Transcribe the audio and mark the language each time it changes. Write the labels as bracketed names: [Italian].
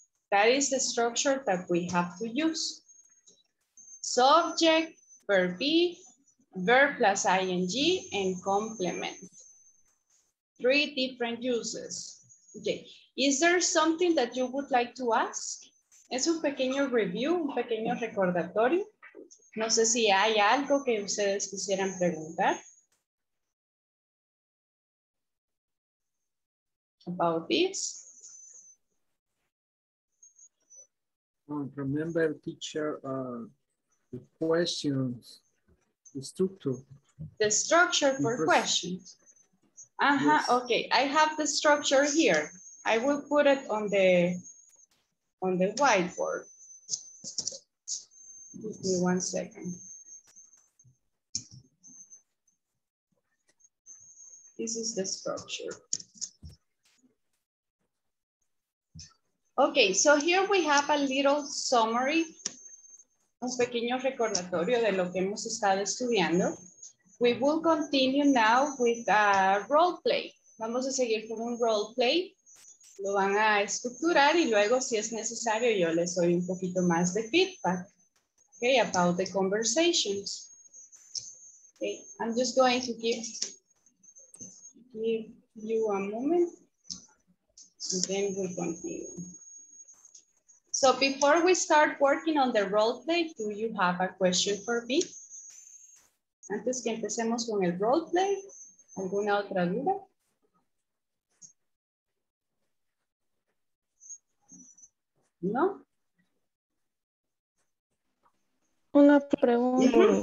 [English] That is the structure that we have to use. Subject, verb be, verb plus ing, and complement. Three different uses. Okay, is there something that you would like to ask? [Spanish] Es un pequeño review, un pequeño recordatorio. No sé si hay algo que ustedes quisieran preguntar. [English] About this. Remember, teacher, the questions, the structure. The structure for the questions. Yes. Okay, I have the structure here. I will put it on the whiteboard. Give me 1 second. This is the structure. Okay, so here we have a little summary, [Spanish] un pequeño recordatorio de lo que hemos estado estudiando. [English] We will continue now with a role play. [Spanish] Vamos a seguir con un role play. Lo van a estructurar y luego, si es necesario, yo les doy un poquito más de feedback. [English] Okay, about the conversations. Okay, I'm just going to give you a moment. And then we'll continue. So before we start working on the role play, do you have a question for me? [Spanish] Antes que empecemos con el role play, ¿alguna otra duda? No. Una pregunta.